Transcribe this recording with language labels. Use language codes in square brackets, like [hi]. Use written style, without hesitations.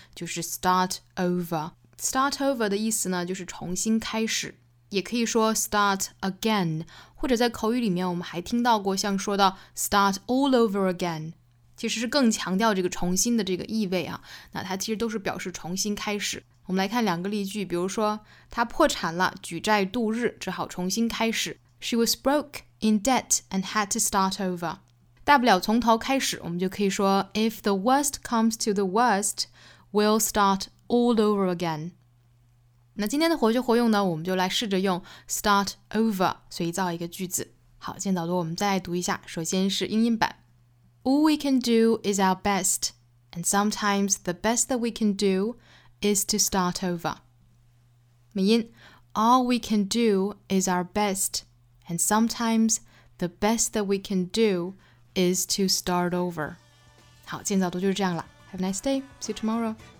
[zh] 就是 start over。Start over 的意思呢，就是重新开始，也可以说 start again， 或者在口语里面我们还听到过像说到 [en] start all over again， [zh] 其实是更强调这个重新的这个意味啊，那它其实都是表示重新开始。我们来看两个例句，比如说他破产了，举债度日，只好重新开始。 [en] She was broke in debt and had to start over， [zh] 大不了从头开始。我们就可以说 [en] If the worst comes to the worst, we'll start all over again。 [zh] 那今天的活学活用呢，我们就来试着用 start over 随造一个句子。好，见导读我们再来读一下，首先是英音版。 [en] All we can do is our best, and sometimes the best that we can do is to start over. 美音 All we can do is our best, and sometimes the best that we can do is to start over. [zh] 好，今天早读就是这样了。 [en] Have a nice day. See you tomorrow.